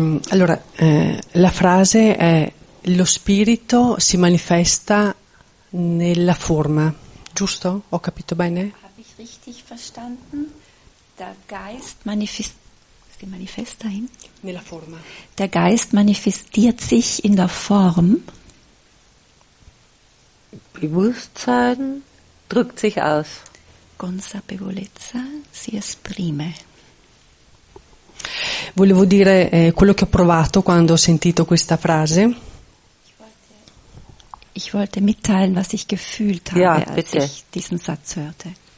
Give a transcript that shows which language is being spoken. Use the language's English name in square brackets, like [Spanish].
[Italian] Allora, la frase è: lo spirito si manifesta nella forma, giusto? Ho capito bene? [German] Habe ich richtig verstanden? Der Geist manifesta in? [Italian] Nella forma. [German] Der Geist manifestiert sich in der Form. Bewusstsein drückt sich aus. [Italian] Consapevolezza si esprime. Volevo dire quello che ho provato quando ho sentito questa frase. [German] Ich wollte mitteilen, was ich gefühlt habe, ja, als ich diesen Satz hörte.